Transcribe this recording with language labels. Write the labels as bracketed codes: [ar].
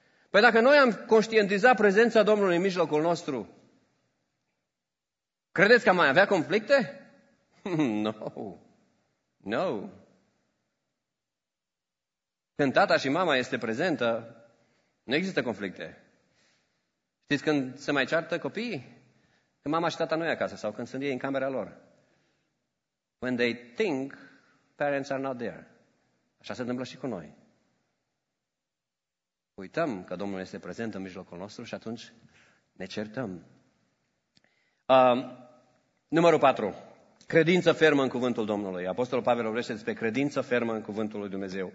[ro] Păi dacă noi am conștientizat prezența Domnului în mijlocul nostru, credeți că am mai avea conflicte? [en] No! No! [ro] Când tata și mama este prezentă, nu există conflicte. Știți când se mai ceartă copiii? Când mama și tata nu e acasă sau când sunt ei în camera lor. [en] When they think, parents are not there. [ro] Așa se întâmplă și cu noi. Uităm că Domnul este prezent în mijlocul nostru și atunci ne certăm. Numărul 4. Credință fermă în cuvântul Domnului. Apostolul Pavel vorbește despre credință fermă în cuvântul lui Dumnezeu.